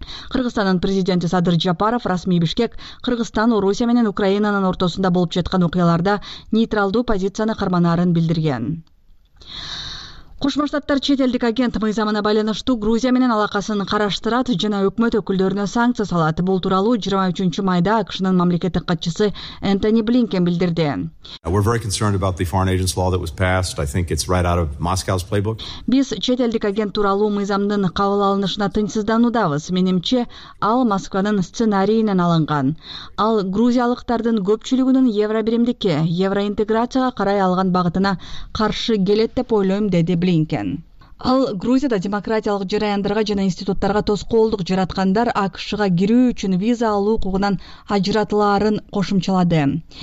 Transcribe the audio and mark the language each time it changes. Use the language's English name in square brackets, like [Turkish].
[Kyrgyz] Кыргызстандын президенти Садыр Жапаров расмий Бишкек Кыргызстан, Орусия менен Украинанын ортосунда болуп жаткан окуяларда нейтралдуу позицияны карманарын билдирген. Кошмо Штаттар чет элдик агент мыйзамына байланыштуу Грузия менен алакасын караштырат жана өкмөт өкүлдөрүнө санкция салат. Бул тууралуу 23 майда АКШнын мамлекеттик катчысы Энтони Блинкен билдирди. [English] We're very concerned about the foreign agents law that was passed. I think it's right out of Moscow's playbook. [Kyrgyz] Биз чет элдик агент тууралуу мыйзамдын кабыл алынышына тынчсызданудабыз. Менимче, ал Москванын сценарийинен алынган. Ал грузиялыктардын көпчүлүгүнүн евробиримдикке, евроинтеграцияга карай алган багытына каршы келет деп ойлойм, деди Блинкен. Ал Грузияда демократиялык жараяндарга жана институттарга тоскоолдук жараткандар АКШга кирүү үчүн виза алуу укугунан ажыратылаарын кошумчалады.